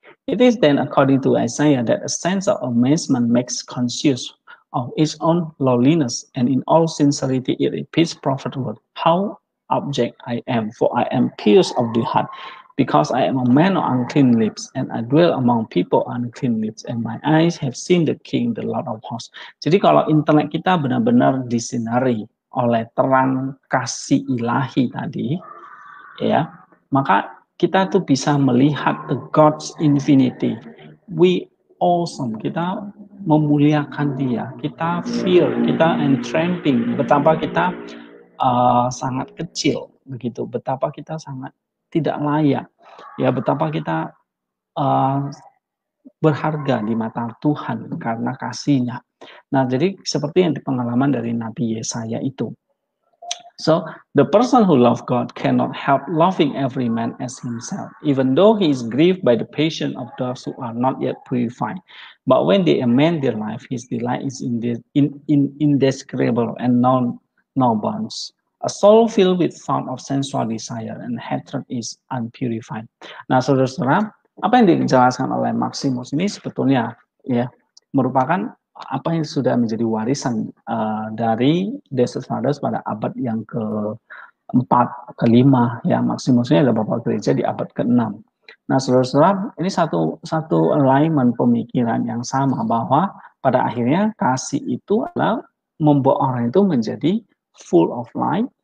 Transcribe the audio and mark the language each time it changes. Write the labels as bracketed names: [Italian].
[English] It is then according to Isaiah that a sense of amazement makes conscious of its own lowliness, and in all sincerity it repeats prophet word, how abject I am, for I am pierced of the heart, because I am a man of unclean lips, and I dwell among people unclean lips, and my eyes have seen the King, the Lord of hosts. [Indonesian] Jadi kalau intelek kita benar-benar disinari oleh terang kasih ilahi tadi, ya, maka kita tuh bisa melihat [English] the God's infinity. We awesome, [Indonesian] kita memuliakan dia, kita feel, kita entrancing, betapa kita sangat kecil, begitu, betapa kita sangat tidak layak, ya, betapa kita berharga di mata Tuhan karena kasihnya. Nah, jadi seperti yang pengalaman dari Nabi Yesaya itu. [English] So, the person who love God cannot help loving every man as himself, even though he is grieved by the passion of those who are not yet purified. But when they amend their life, his delight is indescribable and no bounds. A soul filled with fount of sensual desire and hatred is unpurified. [Indonesian] Nah, saudara-saudara, apa yang dijelaskan oleh Maximus ini sebetulnya ya merupakan apa yang sudah menjadi warisan dari Desert Fathers pada abad yang ke-4, ke-5 ya. Maximus ini adalah bapak gereja di abad ke-6. Nah, saudara-saudara, ini satu alignment pemikiran yang sama bahwa pada akhirnya kasih itu adalah membuat orang itu menjadi [English] full of light.